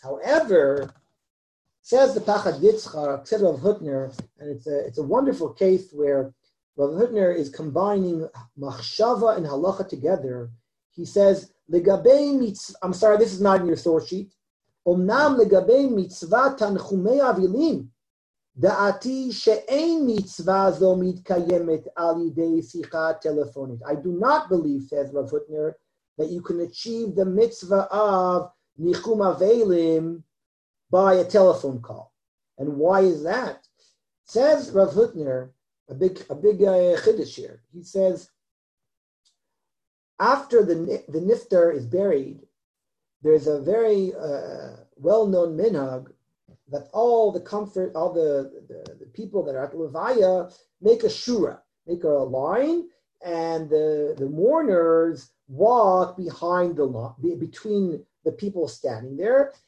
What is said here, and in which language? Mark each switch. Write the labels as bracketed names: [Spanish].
[English] However, says the Pachad Yitzchak, says Rav Huttner, and it's a wonderful case where Rav Huttner is combining machshava and halacha together. He says, this is not in your source sheet. [Hebrew] Omnam legabei mitzvah tanchumei avilim, דעתי שאין מצווה זו מתקיימת על ידי שיחה טלפונית. [English] I do not believe, says Rav Huttner, that you can achieve the mitzvah of Nichum Avelim by a telephone call. And why is that? Says Rav Huttner, a big chiddush here, he says, after the Niftar is buried, there's a very well-known minhag that all the comfort, all the people that are at Levaya make a shura, make a line, and the mourners walk behind the line, between the people standing there.